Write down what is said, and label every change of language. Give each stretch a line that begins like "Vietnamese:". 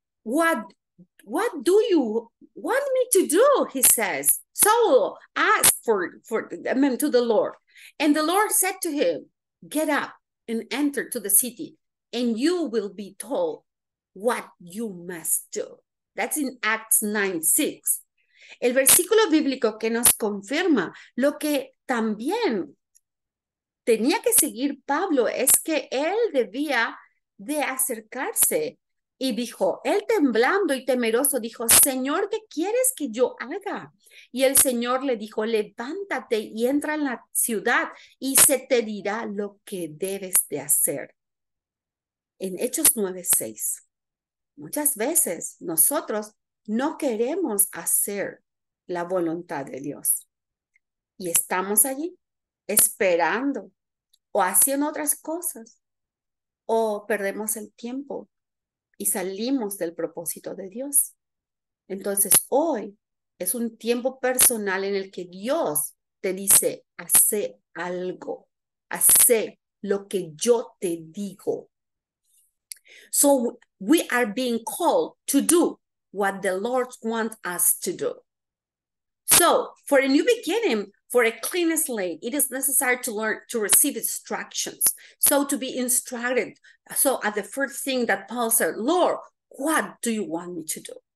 English: What do you want me to do? He says. So ask to the Lord. And the Lord said to him, get up and enter to the city, and you will be told what you must do. That's in Acts 9:6.
Spanish: El versículo bíblico que nos confirma lo que también tenía que seguir Pablo es que él debía de acercarse. Y dijo, él temblando y temeroso, dijo, Señor, ¿qué quieres que yo haga? Y el Señor le dijo, levántate y entra en la ciudad y se te dirá lo que debes de hacer. En Hechos 9:6, muchas veces nosotros no queremos hacer la voluntad de Dios. Y estamos allí esperando o haciendo otras cosas, o perdemos el tiempo y salimos del propósito de Dios. Entonces, hoy es un tiempo personal en el que Dios te dice, hace algo, hace lo que yo te digo.
English: So we are being called to do what the Lord wants us to do. So for a new beginning, for a clean slate, it is necessary to learn to receive instructions. So to be instructed. So at the first thing that Paul said, Lord, what do you want me to do?